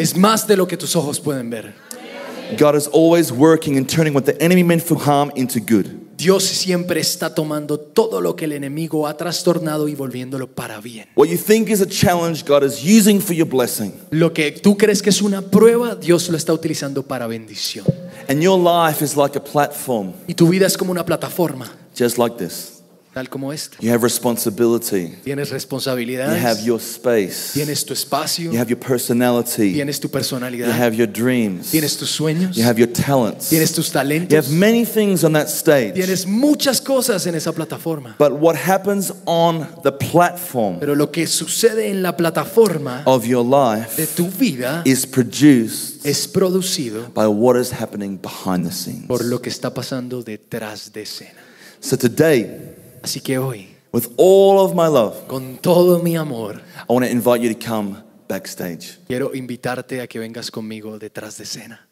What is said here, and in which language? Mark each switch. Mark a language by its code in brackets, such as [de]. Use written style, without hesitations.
[es] Es más de lo que tus ojos pueden ver. [en] God is always working and turning what the enemy meant for harm into good. [es] Dios siempre está tomando todo lo que el enemigo ha trastornado y volviéndolo para bien. [en] What you think is a challenge, God is using for your blessing. [es] Lo que tú crees que es una prueba, Dios lo está utilizando para bendición. [en] And your life is like a platform. [es] Y tu vida es como una plataforma. [en] Just like this. [es] Tal como esta. [en] You have responsibility. [es] Tienes responsabilidades. [en] You have your space. [es] Tienes tu espacio. [en] You have your personality. [es] Tienes tu personalidad. [en] You have your dreams. [es] Tienes tus sueños. [en] You have your talents. [es] Tienes tus talentos. [en] You have many things on that stage. [es] Tienes muchas cosas en esa plataforma. [en] But what happens on the platform? [es] Pero lo que sucede en la plataforma [en] of your life [es] de tu vida [en] is produced. [es] Es producido [en] by what is happening behind the scenes. [es] Por lo que está pasando detrás de escena. [en] So today, [es] así que hoy, [en] with all of my love, [es] con todo mi amor, [en] I want to invite you to come backstage. [es] Quiero invitarte a que vengas conmigo detrás de escena.